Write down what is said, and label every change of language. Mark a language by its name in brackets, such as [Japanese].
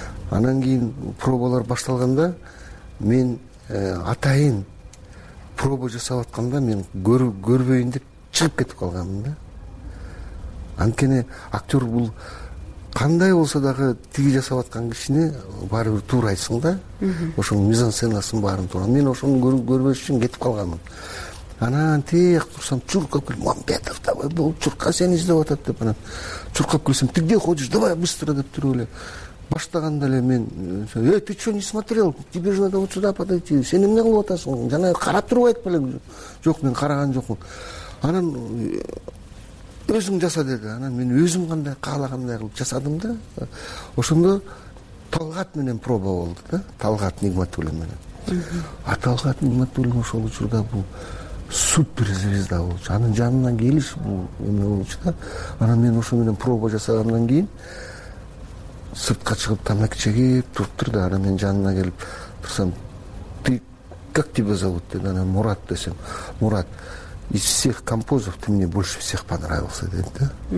[Kyrgyz] Анан кийин пробалар башталганда мен атайын проба жасап атканда мен көрбөйүн деп чыгып кетип калганмын да. Анткени актер бул кандай болсо дагы тиги жасап аткан кишини баары бир туурайсың да, ошонун мизансценасын баарын туура. Мен ошону көрбөш үчүн кетип калганмын. Анан тээк турсам чуркап келип, Мамбетов, давай бул Чурка сени издеп атат деп, анан чуркап келсем, [Russian] ты где ходишь, давай быстро [Kyrgyz] деп туруп эле баштаганда эле мен эй, [Russian] ты че не смотрел, тебе же надо вот сюда подойти, [Kyrgyz] сен эмне кылып атасың, жана карап туруп айтып эле. Жок, мен караган жокмун. Анан өзүң жаса деди. Анан мен өзүм кандай каалагандай кылып жасадым да. Ошондо Талгат менен проба болду да, Талгат Нигматуллин менен. Аталгат Нигматуллин ошол учурда бул суперзвезда болчу. Анын жанынан келиш бул эме болчу да. Анан мен ошо менен проба жасагандан кийин сыртка чыгып тамак чегип туруптурду. Анан мен жанына келип турсам, [Russian] ты как тебя зовут [Kyrgyz] деди. Анан Мурат десем, [Russian] Мурат, из всех композов ты мне больше всех понравился [Kyrgyz] деди да.